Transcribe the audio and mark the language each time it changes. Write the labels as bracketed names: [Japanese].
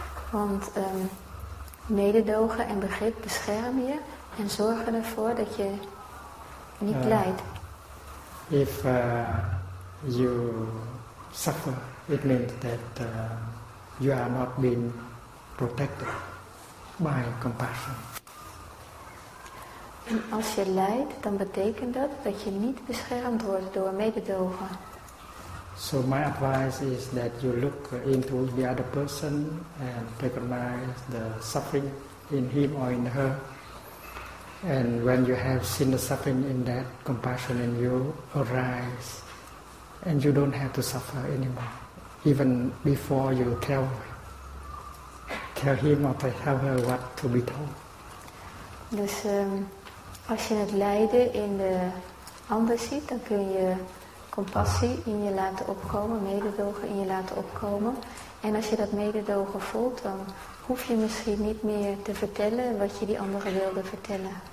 [Dutch] Want mededogen en begrip beschermen je en zorgen ervoor dat je niet lijdt. [English] If you suffer, it means that you are not being protected by compassion. [Dutch] En als je lijdt, dan betekent dat je niet beschermd wordt door mededogen. [English] So my advice is that you look into the other person and recognize the suffering in him or in her. And when you have seen the suffering in that, compassion in you arise. And you don't have to suffer anymore. Even before you tell him or tell her what to be told. [Dutch] Dus als je het lijden in de ander ziet, dan kun je compassie in je laten opkomen, mededogen in je laten opkomen. En als je dat mededogen voelt, dan hoef je misschien niet meer te vertellen wat je die anderen wilde vertellen.